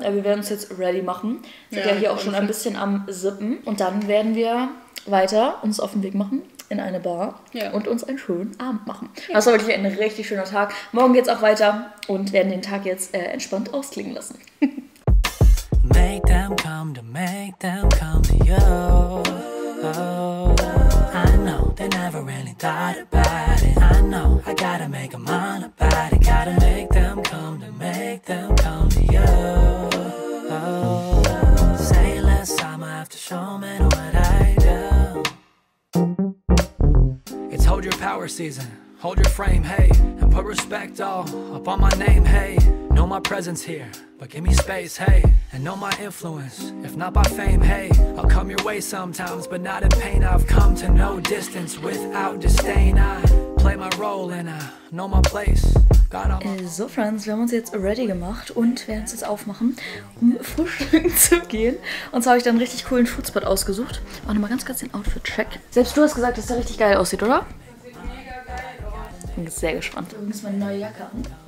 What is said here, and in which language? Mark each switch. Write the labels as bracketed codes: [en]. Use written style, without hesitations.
[de] Wir werden uns jetzt ready machen. Sind ja hier auch schon ein bisschen am Sippen. Und dann werden wir weiter uns auf den Weg machen in eine Bar und uns einen schönen Abend machen. Ja. Das war wirklich ein richtig schöner Tag. Morgen geht's auch weiter und werden den Tag jetzt entspannt ausklingen lassen. [en] Make them come to make them come to you. Oh, I know they never really thought about it. I know I gotta make them on about it. Gotta make them come to make them come to you. Oh, say less, I'ma have to show men what I do. It's hold your power season. Hold your frame, hey. And put respect all up on my name, hey. Know my presence here. But give me space, hey. And know my influence, if not by fame, hey. I'll come your way sometimes, but not in pain. I've come to no distance without disdain. I play my role and I know my place. [de] So, Friends, wir haben uns jetzt ready gemacht und werden uns jetzt aufmachen, um frühstücken zu gehen. Und zwar habe ich da einen richtig coolen Foodspot ausgesucht. Auch nochmal ganz kurz den Outfit-Check. Selbst du hast gesagt, dass der richtig geil aussieht, oder? Bin sehr gespannt. Übrigens meine neue Jacke an.